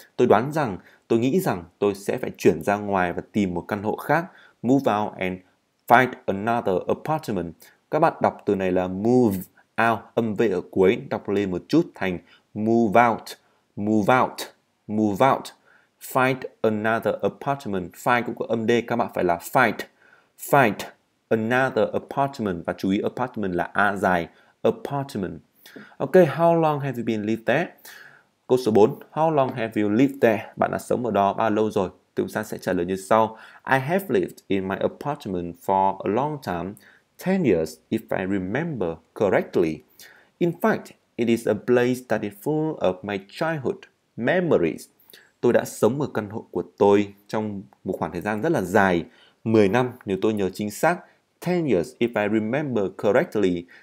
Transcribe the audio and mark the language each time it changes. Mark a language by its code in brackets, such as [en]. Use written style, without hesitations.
[vi] Tôi đoán rằng, tôi nghĩ rằng tôi sẽ phải chuyển ra ngoài và tìm một căn hộ khác, [en] move out and find another apartment. [vi] Các bạn đọc từ này là move out, âm V ở cuối, đọc lên một chút thành [en] move out, move out, move out. Find another apartment, [vi] find cũng có âm D, các bạn phải là [en] find, find another apartment. [vi] Và chú ý apartment là A dài, apartment. Ok, [en] how long have you been lived there? [vi] Câu số 4, [en] how long have you lived there? [vi] Bạn đã sống ở đó bao lâu rồi? Chúng ta sẽ trả lời như sau. [en] I have lived in my apartment for a long time, 10 years if I remember correctly. In fact, it is a place that is full of my childhood memories. [vi] Tôi đã sống ở căn hộ của tôi trong một khoảng thời gian rất là dài, 10 năm nếu tôi nhớ chính xác, [en] 10 years if I remember correctly.